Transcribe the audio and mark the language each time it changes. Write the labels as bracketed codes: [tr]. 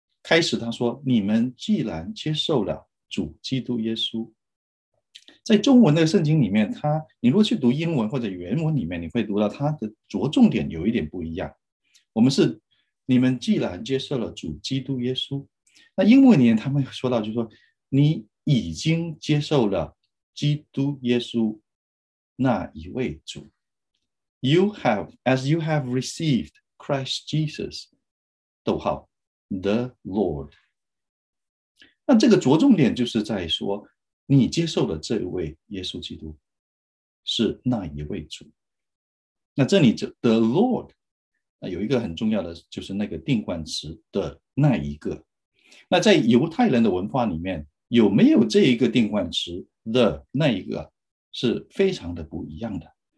[zh] 开始他说，你们既然接受了主基督耶稣，在中文的圣经里面，他你如果去读英文或者原文里面，你会读到他的着重点有一点不一样。我们是你们既然接受了主基督耶稣，那英文里面他们说到就是说，你已经接受了基督耶稣那一位主。 [en] You have, as you have received Christ Jesus, 逗号 the Lord. [zh] 那这个着重点就是在说，你接受了这位耶稣基督，是那一位主。那这里 the Lord, 那有一个很重要的就是那个定冠词的那一个。那在犹太人的文化里面，有没有这一个定冠词的那一个是非常的不一样的。